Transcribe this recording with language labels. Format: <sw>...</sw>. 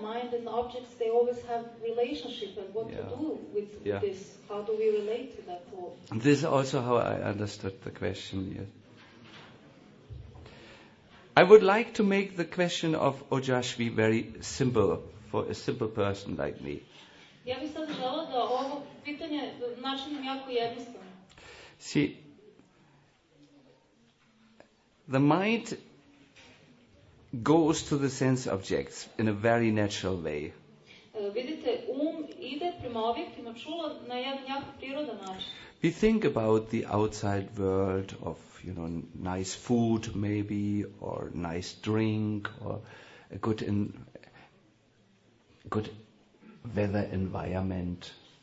<en>Mind and objects, they always have relationship, and what to do with this? How do we relate to that? This is also how I understood the question. Yes. I would like to make the question of Ojashvi very simple for a simple person like me.</en> <sr>Ja bih sad želela da ovo pitanje načinim jako jednostavno.</sr> <en>See, the mind goes to the sense objects in a very natural way.</en> <sr>Vidite, um ide prema objektima čula na jedan jako prirodan način.</sr> <en>We think about the outside world of, you know, nice food maybe, or nice drink, or a good weather environment.</en>